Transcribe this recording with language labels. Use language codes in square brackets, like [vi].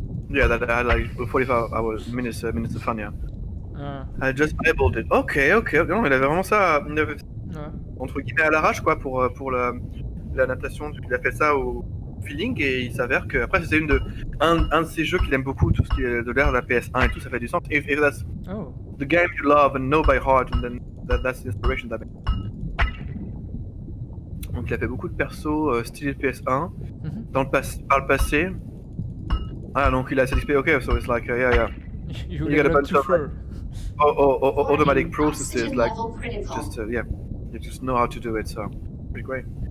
[en] Yeah, that I had like 45 minutes of fun, yeah. I just eyeballed it. Okay. [fr] Non, il avait vraiment ça, entre guillemets, à l'arrache, quoi, pour la natation. Il a fait ça au feeling, et il s'avère que... Après, c'est un de ces jeux qu'il aime beaucoup, tout ce qui est de l'air, la PS1 et tout, ça fait du sens. [en] If that's the game you love and know by heart, and then that's the inspiration that makes. [fr] Donc, il a fait beaucoup de persos style PS1, par le passé. Ah, donc il a cette expérience, ok, [en] so it's like, yeah. You get a bunch of automatic processes, like, just, you just know how to do it, so, pretty great.